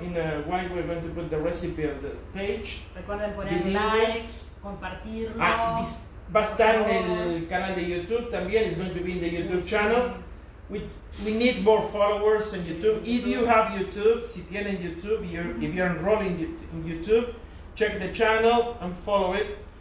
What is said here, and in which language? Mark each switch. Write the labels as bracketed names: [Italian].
[English] In a while we're going to put the recipe on the page. [Spanish] Recuerden poner likes, compartirlo. Va a estar en el canal de YouTube también. [English] It's going to be in the YouTube channel. We need more followers on YouTube. If you have YouTube, [Spanish] si tienen YouTube, [English] if you're enrolling in YouTube, check the channel and follow it.